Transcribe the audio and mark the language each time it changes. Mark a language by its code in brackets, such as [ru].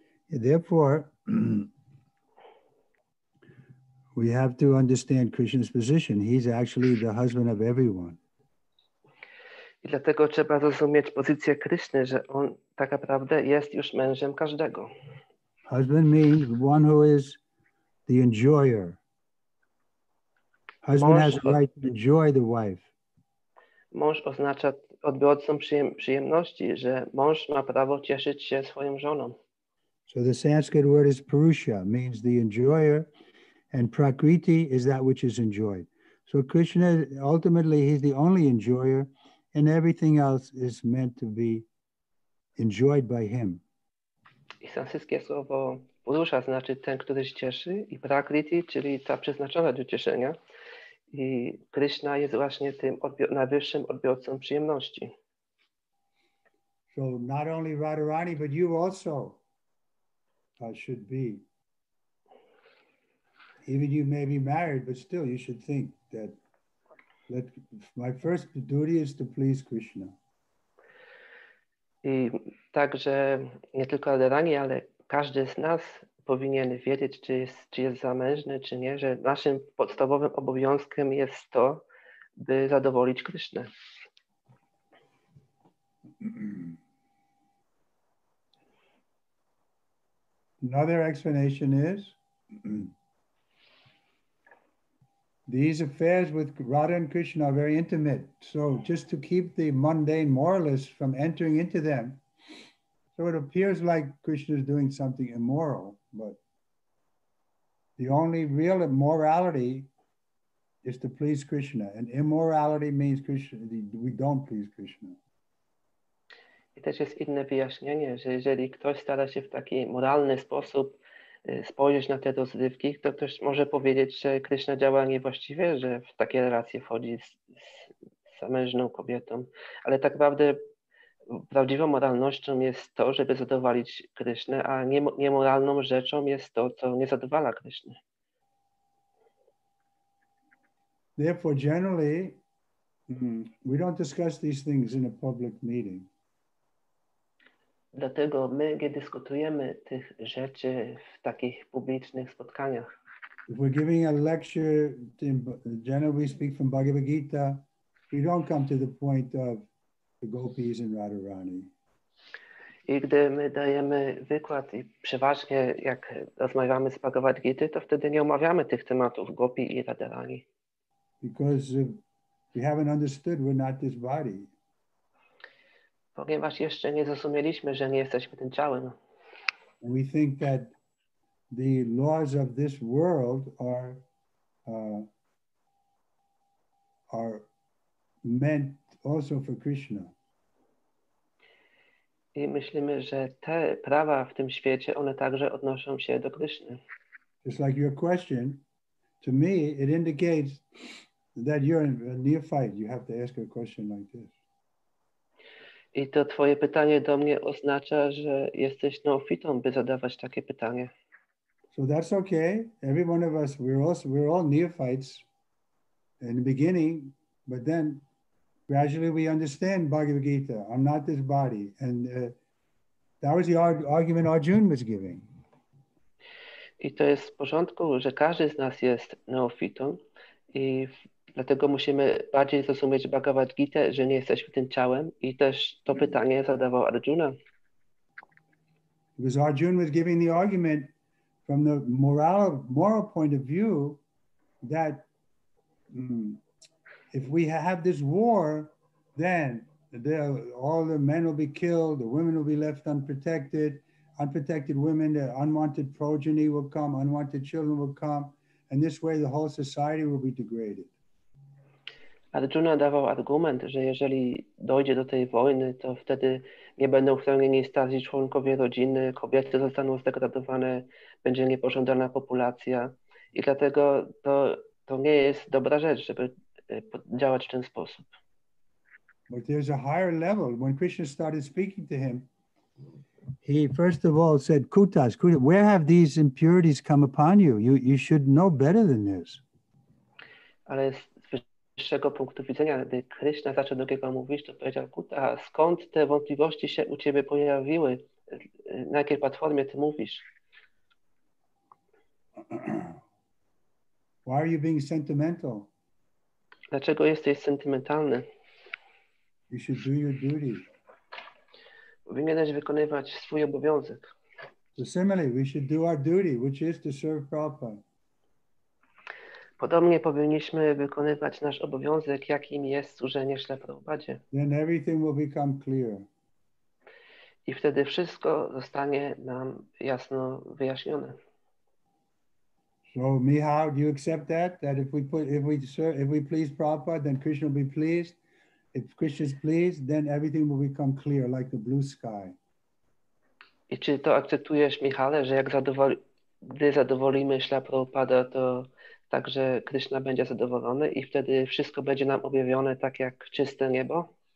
[en] Therefore, we have to understand Krishna's position. He's actually the husband of everyone. [pl] I dlatego trzeba zrozumieć pozycję Krishny, że on tak naprawdę jest już mężem każdego. [en] Husband means one who is the enjoyer. Husband has the right to enjoy the wife. [pl] Mąż oznacza odbiorcą przyjemności, że mąż ma prawo cieszyć się swoją żoną. [en] So the Sanskrit word is purusha, means the enjoyer, and prakriti is that which is enjoyed. So Krishna, ultimately, he's the only enjoyer, and everything else is meant to be enjoyed by him. [pl] I sanskryte słowo purusha znaczy ten, który się cieszy, i prakriti, czyli ta przeznaczona do cieszenia. I Krishna jest właśnie tym najwyższym odbiorcą przyjemności. [en] So not only Radharani, but you also. I should be. Even you may be married, but still you should think that my first duty is to please Krishna. [pl] I także nie tylko Radharani, ale każdy z nas powinien wiedzieć, czy jest zamężny, czy nie, że naszym podstawowym obowiązkiem jest to, by zadowolić Krishnę. [en] Another explanation is these affairs with Radha and Krishna are very intimate. So just to keep the mundane moralists from entering into them, so it appears like Krishna is doing something immoral, but the only real morality is to please Krishna. And immorality means Krishna, we don't please Krishna. [pl] I też jest inne wyjaśnienie, że jeżeli ktoś stara się w taki moralny sposób spojrzeć na te rozrywki, to ktoś może powiedzieć, że Krishna działa niewłaściwie, że w takie relacje wchodzi z zamężną kobietą. Ale tak naprawdę prawdziwą moralnością jest to, żeby zadowolić Krishnę, a niemoralną rzeczą jest to, co nie zadowala Krishnę. [en] Therefore, generally, we don't discuss these things in a public meeting. [pl] Dlatego my nie dyskutujemy tych rzeczy w takich publicznych spotkaniach. [en] If we're giving a lecture, generally we speak from Bhagavad Gita, we don't come to the point of the gopis and Radharani. [pl] I gdy my dajemy wykład i przeważnie jak rozmawiamy z Bhagavad Gita, to wtedy nie omawiamy tych tematów gopi i Radharani. [en] Because we haven't understood we're not this body. [pl] Ponieważ jeszcze nie zrozumieliśmy, że nie jesteśmy tym ciałem. [en] We think that the laws of this world are meant also for Krishna. [pl] I myślimy, że te prawa w tym świecie, one także odnoszą się do Krishny. [en] Just like your question, to me it indicates that you're a neophyte, you have to ask a question like this. [pl] I to twoje pytanie do mnie oznacza, że jesteś neofitą, by zadawać takie pytanie. [en] So that's okay. Every one of us, we're all neophytes in the beginning, but then gradually we understand Bhagavad Gita. I'm not this body. And that was the argument Arjun was giving. [pl] I to jest w porządku, że każdy z nas jest neofitą i dlatego musimy bardziej zrozumieć Bhagavad Gita, że nie jesteśmy tym ciałem. I też to pytanie zadawał Arjuna. [en] Because Arjuna was giving the argument from the moral point of view that if we have this war, then all the men will be killed, the women will be left unprotected. Unprotected women, the unwanted progeny will come, unwanted children will come, and this way the whole society will be degraded. [pl] Arjuna dawał argument, że jeżeli dojdzie do tej wojny, to wtedy nie będą chronieni starsi członkowie rodziny, kobiety zostaną zdegradowane, będzie niepożądana populacja i dlatego to nie jest dobra rzecz, żeby działać w ten sposób. [en] But there's a higher level. When Krishna started speaking to him, he first of all said, Kutas, where have these impurities come upon you? You should know better than this. [pl] Ale z wyższego punktu widzenia, gdy Krishna zaczął do niego mówić, to powiedział, Kuta, skąd te wątpliwości się u ciebie pojawiły? Na jakiej platformie ty mówisz? [en] Why are you being sentimental? [pl] Dlaczego jesteś sentymentalny? [en] You should do your duty. [pl] Powinieneś wykonywać swój obowiązek. [en] So similarly, we should do our duty, which is to serve Prabhupada. [pl] Podobnie powinniśmy wykonywać nasz obowiązek, jakim jest służenie Śle Prabhupadzie. [en] Then everything will become clear. [pl] I wtedy wszystko zostanie nam jasno wyjaśnione. [en] So, Mihal, do you accept that? That if we please Prabhupada, then Krishna will be pleased. If Krishna is pleased, then everything will become clear, like the blue sky. [pl] I czy to akceptujesz, Michale, że jak gdy zadowolimy Śla Prabhupada, to także Krishna będzie zadowolony i wtedy wszystko będzie nam objawione tak jak czyste niebo?